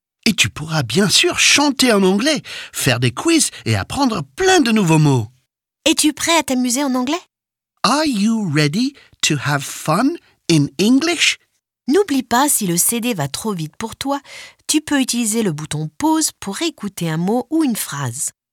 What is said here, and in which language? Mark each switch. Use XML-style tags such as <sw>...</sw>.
<fr>Et tu pourras bien sûr chanter en anglais, faire des quiz et apprendre plein de nouveaux mots. Es-tu prêt à t'amuser en anglais?</fr> <en>Are you ready to have fun in English?</en> <fr>N'oublie pas, si le CD va trop vite pour toi, tu peux utiliser le bouton pause pour écouter un mot ou une phrase.</fr>